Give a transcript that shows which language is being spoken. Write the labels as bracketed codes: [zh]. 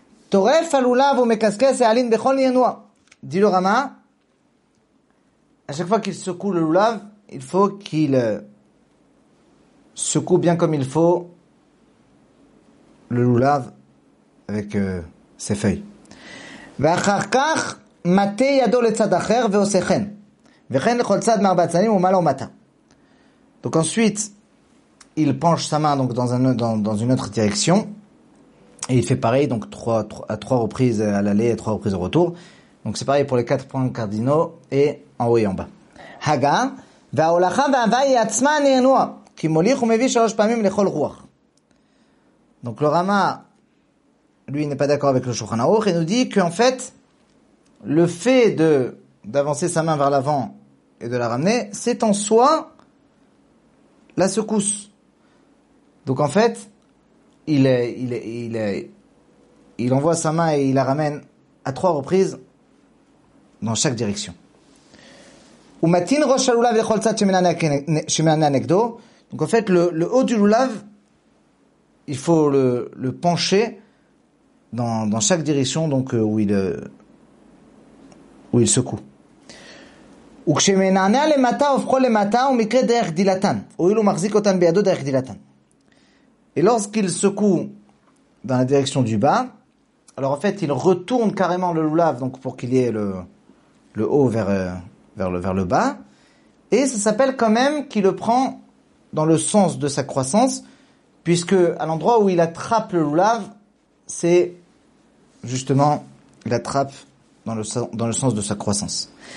[he] Toref alulav u'mekaskes e'alin bechol nianua. [fr] Dit le Rama, à chaque fois qu'il secoue le lulav, il faut qu'il secoue bien comme il faut le lulav avec ses feuilles. [he] ואחר כך מתי ידו לצד אחר ועושה חן. וחן לכל צד מארבע צדדים ומעלה ומטה. [fr] Donc ensuite, il penche sa main donc dans une autre direction et il fait pareil donc trois reprises à l'aller et trois reprises au retour. Donc c'est pareil pour les quatre points cardinaux et en haut et en bas. [he] Haga וההולכה והאהבה היא עצמה נענוע, כי מוליך ומביא שלוש פעמים לכל רוח. [fr] Donc le Rama, lui, n'est pas d'accord avec le Shulchan Aruch, et nous dit qu'en fait, le fait d'avancer sa main vers l'avant et de la ramener, c'est en soi la secousse. Donc en fait, il envoie sa main et il la ramène à trois reprises dans chaque direction. [he] ומתין ראש הלולב לכל צד שמנענע נגדו. [fr] Donc en fait, le haut du loulav, il faut le pencher dans chaque direction donc où il secoue. [he] וכשמנענע למטה הופכו למטה ומקרה דרך דילתן. הואיל ומחזיק אותן בידו דרך דילתן. [fr] Et lorsqu'il secoue dans la direction du bas, alors en fait, il retourne carrément le loulav donc pour qu'il y ait le haut vers le bas, et ça s'appelle quand même qu'il le prend dans le sens de sa croissance, puisque à l'endroit où il attrape le loulav, c'est justement il attrape dans le sens de sa croissance.